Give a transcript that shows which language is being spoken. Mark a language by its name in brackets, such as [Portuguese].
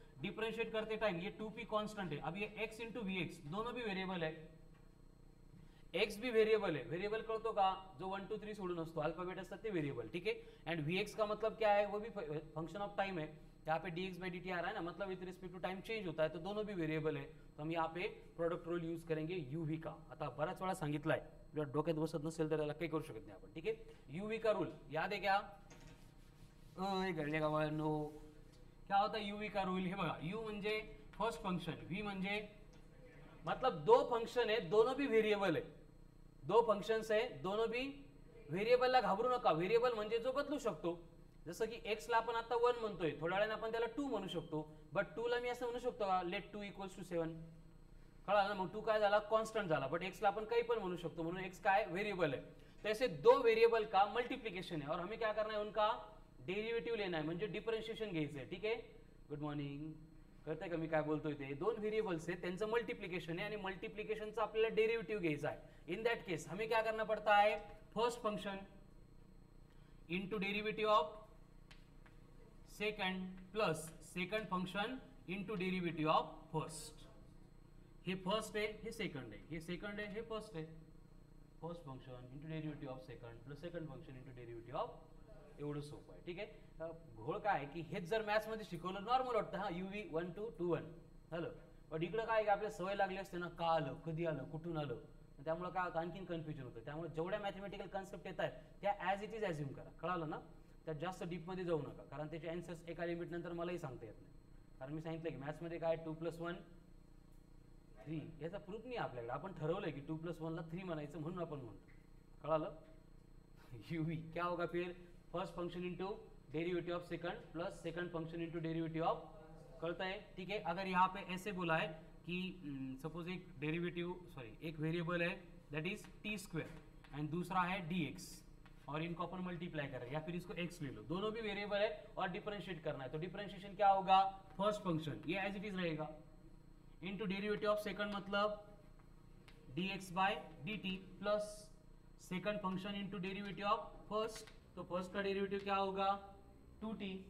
[Hindi] Differentiate करते time ये 2p constant है अब ये x * vx दोनों भी वेरिएबल है x भी वेरिएबल है [Marathi] वेरिएबल कळतो का जो 1 2 3 सोडून असतो अल्फाबेट असतात ते वेरिएबल [Hindi] ठीक है। एंड vx का मतलब क्या है वो भी फंक्शन ऑफ टाइम है यहाँ पे dx by dt आ रहा है ना मतलब with respect to time change होता है तो दोनों भी वेरिएबल है तो हम यहाँ पे प्रोडक्ट रूल यूज करेंगे uv का। [Marathi] आता बराच वेळा सांगितलं आहे जर डोक्यात बसत नसेल तर याला काही करू शकत नाही आपण ठीक है। [Hindi] uv का रूल याद है क्या [Marathi] घडले का नो क्या होता uv का रूल हे बघा u म्हणजे फर्स्ट फंक्शन v म्हणजे [Hindi] मतलब दो फंक्शन है दोनों भी वेरिएबल [Marathi] है दो फंक्शन है दोनों भी वेरिएबल ला घाबरू नका वेरिएबल म्हणजे जो बदलू शकतो जसं की एक्स ला आपण आता 1 म्हणतोय थोड्या वेळाने आपण त्याला 2 म्हणू शकतो बट 2 ला मी असं म्हणू शकतो लेट 2 इक्वल्स टू 7 कळलं ना मग 2 काय झाला कॉन्स्टंट झाला बट एक्स ला आपण काही पण म्हणू शकतो म्हणून एक्स काय वेरिएबल आहे। [Hindi] तसे दो वेरिएबल का मल्टिप्लिकेशन आहे और हमें क्या करना है उनका डेरिवेटिव लेना है [Marathi] म्हणजे डिफरेंशिएशन घ्यायचं आहे ठीक आहे। गुड मॉर्निंग कळतंय का मी काय बोलतोय ते दोन व्हेरिएबल्स आहेत त्यांचं मल्टिप्लिकेशन आहे आणि मल्टिप्लिकेशनचा आपल्याला डेरिवेटिव घ्यायचा आहे [English] in that case [Hindi] हमें क्या करना पड़ता है [English] first function into derivative of second plus second function into derivative of first [Hindi] ये फर्स्ट है, ये सेकंड है, ये सेकंड है, ये फर्स्ट है. [English] first function into derivative of second plus second function into derivative of, [Marathi] एवढं सोपं आहे. ठीक आहे, घोळ काय की हेच जर मॅथ्स मध्ये शिकवलं नॉर्मल वाटतं, हा यू वी 1 2 2 1 झालं. पण इकडं काय की आपल्या सवय लागली असते ना, का आलं, कधी आलं, कुठून आलं, त्यामुळे काय आणखीन कन्फ्युजन होतं. त्यामुळे जेवढ्या मॅथमॅटिकल कन्सेप्ट येत आहेत त्या ॲज इट इज ॲज्युम करा, कळालं ना. त्या जास्त डीपमध्ये जाऊ नका, कारण त्याचे अन्सर्स एका लिमिट नंतर मलाही सांगता येत नाही. कारण मी सांगितलं की मॅथ्समध्ये काय 2 + 1 = 3 याचा प्रूफ नाही आपल्याकडे. आपण ठरवलंय की 2 + 1 = 3 म्हणायचं, म्हणून आपण म्हणतो. कळालं? [Hindi] यू वी क्या होगा फिर, [English] first function into derivative of second plus second function into derivative of, [Marathi] कळत आहे? [Hindi] ठीक आहे, अगर यहाँ पे ऐसे बोला है कि सपोज एक डेरिवेटिव, सॉरी एक व्हेरिएबल है that is T square and दूसरा है डी एक्स, और इनको अपन मल्टीप्लाई कर रहे हैं, या फिर इसको एक्स ले लो, दोनों भी वेरिएबल है और डिफरेंशिएट करना है, तो डिफरेंशिएशन क्या होगा, फर्स्ट फंक्शन ये एज इट इज रहेगा इनटू डेरिवेटिव ऑफ सेकंड मतलब D x bye D T plus second function into derivative of first, तो फर्स्ट का डेरिवेटिव क्या होगा 2t.